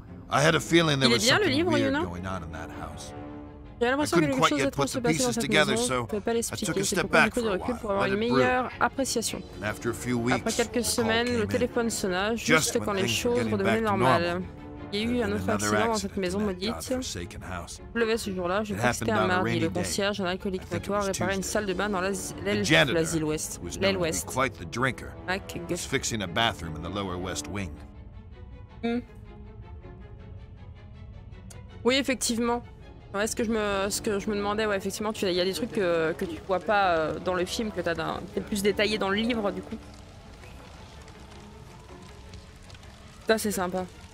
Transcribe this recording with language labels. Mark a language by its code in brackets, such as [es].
[en] I had a feeling there was something weird going on in that house. I couldn't quite yet put the pieces together, so I took a step back for a while, let it brew. And after a few weeks, the call came in, just when things were getting back to normal. [fr] Il y a eu un autre accident dans cette maison maudite. Il pleuvait ce jour-là, je crois que c'était un mardi. Le concierge, un alcoolique notoire, réparait une salle de bain dans l'aile de l'asile ouest. L'aile ouest. [en] Quite the drinker. Was fixing a bathroom in the lower west wing. [fr] Oui, effectivement. Ouais, ce que je me demandais, ouais, effectivement, il y a des trucs que tu vois pas dans le film, que t'as peut-être plus détaillé dans le livre, du coup. Ça, c'est sympa.